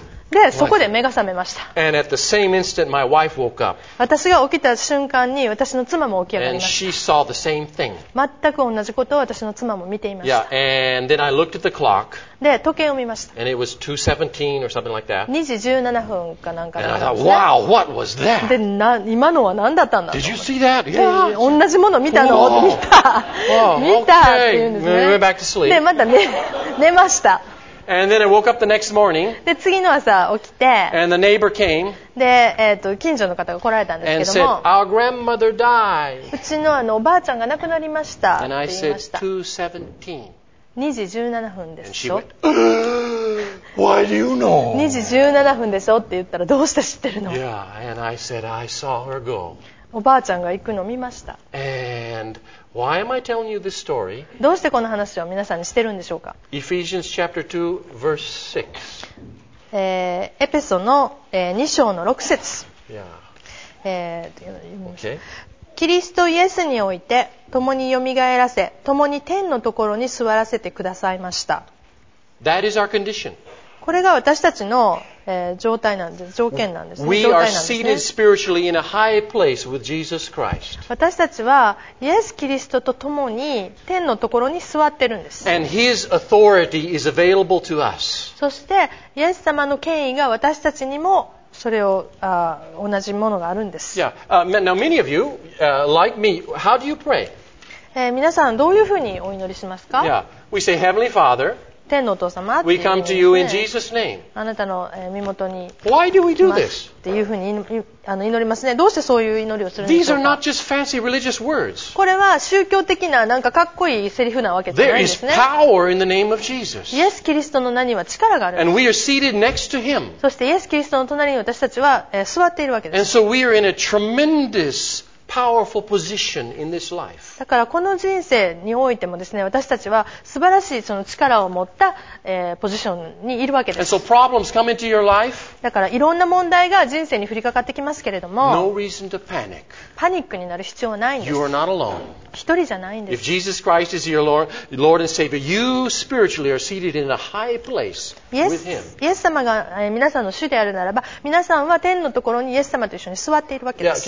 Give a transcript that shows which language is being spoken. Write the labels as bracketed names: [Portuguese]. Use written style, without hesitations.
[Japanese] で、そこで目が覚めました。私が起きた瞬間に私の妻も起き上がりました。全く同じことを私の妻も見ていました。 [English] Yeah, and then I looked at the clock. [Japanese] で時計を見ました。 [English] And it was 2:17 or something like that. [Japanese] 2時17分かなんかで、ね。 [English] And I thought, wow, what was that? [Japanese] で今のは何だったんだ。 [English] Did you see that? [Japanese] Yeah. 同じもの見たの。見た。見たっていうんですね。 [English] Okay. We went back to sleep. [Japanese] でまた寝ました。 [English] And then I woke up the next morning. [Japanese] で次の朝起きて。 [English] And the neighbor came. [Japanese] で近所の方が来られたんですけども。 [English] And said, our grandmother died. [Japanese] うちのおばあちゃんが亡くなりましたって言いました。 [English] And I said 2:17. [Japanese] 2時17分でしょ [English] Why do you know? [Japanese] 2時17分でしょって言ったらどうして知ってるの [English] Yeah, and I said, I saw her go. [Japanese] おばあちゃんが行くの見ました [English] And why am I telling you this story? [Japanese] どうしてこの話を皆さんにしてるんでしょうか [English] Ephesians chapter 2 verse 6、 [Japanese] エペソの、2章の6節 [English] Yeah. [Japanese] OK キリストイエスにおいて共によみがえらせ共に天のところに座らせてくださいました [English] That is our condition. [Japanese] これが私たちの状態なんです、条件なんですね。 [English] We are seated spiritually in a high place with Jesus Christ. [Japanese] 私たちはイエス・キリストと共に天のところに座ってるんです。 [English] And His authority is available to us. [Japanese] そしてイエス様の権威が私たちにもそれを同じものがあるんです。 [English] Yeah. Now many of you, like me, how do you pray? [Japanese] 皆さんどういうふうにお祈りしますか? [English] Yeah. We say, Heavenly Father. [Japanese] 天のお父様、 [English] We come to you in Jesus' name. [Japanese] あなたの身元に、 [English] Why do we do this? [Japanese] っていうふうに祈りますね。どうしてそういう祈りをするんでしょうか? [English] These are not just fancy religious words. [Japanese] これは宗教的ななんかかっこいいセリフなわけじゃないんですね。 [English] There is power in the name of Jesus. [Japanese] イエス・キリストの名には力がある。 [English] And we are seated next to him. [Japanese] そしてイエス・キリストの隣に私たちは座っているわけです。 [English] And so we are in a tremendous powerful position in this life. [Japanese] だからこの人生においてもですね、私たちは素晴らしいその力を持った、ポジションにいるわけです。 [English] And so problems come into your life. [Japanese] だからいろんな問題が人生に降りかかってきますけれども、 [English] No reason to panic. [Japanese] パニックになる必要はないんです。 [English] You are not alone. [Japanese] 一人じゃないんです。 [English] If Jesus Christ is your Lord and Savior, you spiritually are seated in a high place with Him. [Japanese] イエス様が皆さんの主であるならば、皆さんは天のところにイエス様と一緒に座っているわけです。